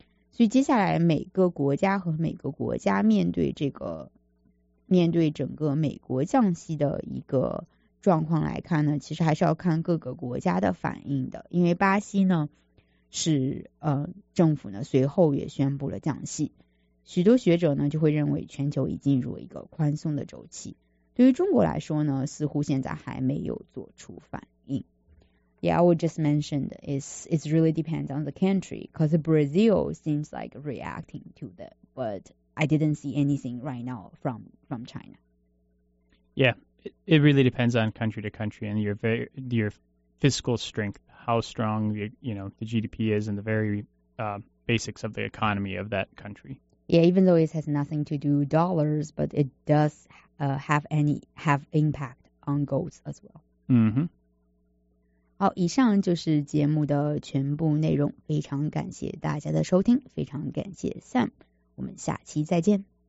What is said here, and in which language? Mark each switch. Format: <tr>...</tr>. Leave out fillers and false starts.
<zh>所以接下来每个国家和每个国家面对整个美国降息的一个状况来看呢，其实还是要看各个国家的反应的，因为巴西呢是政府呢随后也宣布了降息，许多学者呢就会认为全球已进入一个宽松的周期，对于中国来说呢似乎现在还没有做出反应。</zh> <en>Yeah, I would just mention it's really depends on the country, because Brazil seems like reacting to that, but I didn't see anything right now from China. Yeah, it really depends on country to country and your fiscal strength, how strong the GDP is and the very basics of the economy of that country. Yeah, even though it has nothing to do with dollars, but it does have impact on goals as well. Mm-hmm.</en> <zh>好，以上就是节目的全部内容，非常感谢大家的收听，非常感谢 Sam， 我们下期再见。</zh>